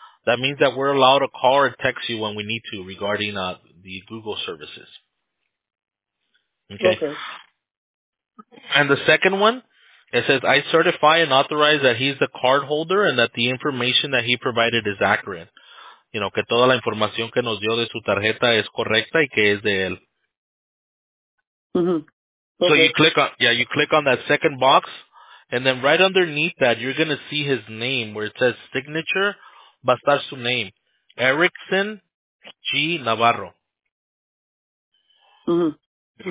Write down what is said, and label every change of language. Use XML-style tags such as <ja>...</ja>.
<en>That means that we're allowed to call or text you when we need to regarding the Google services. Okay. And the second one, it says, I certify and authorize that he's the cardholder and that the information that he provided is accurate. You know,</en> <es>que toda la información que nos dio de su tarjeta es correcta y que es de él. Mm-hmm.</es> <en>Okay. So you click on that second box, and then right underneath that, you're going to see his name where it says signature.</en> <es>Va a estar su</es> <en>name,</en> <es>Erickson G. Navarro. Mm-hmm.</es>